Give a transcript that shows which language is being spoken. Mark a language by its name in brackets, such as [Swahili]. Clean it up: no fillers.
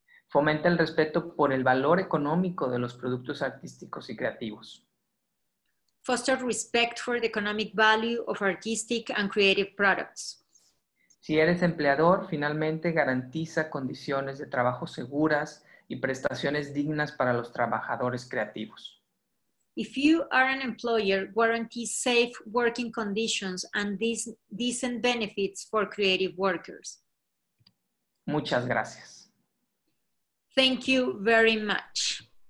[Spanish] Fomenta el respeto por el valor económico de los productos artísticos y creativos. [English] Foster respect for the economic value of artistic and creative products. [Spanish] Si eres empleador, finalmente garantiza condiciones de trabajo seguras y prestaciones dignas para los trabajadores creativos. [English] If you are an employer, guarantee safe working conditions and decent benefits for creative workers. [Spanish] Muchas gracias. [English] Thank you very much.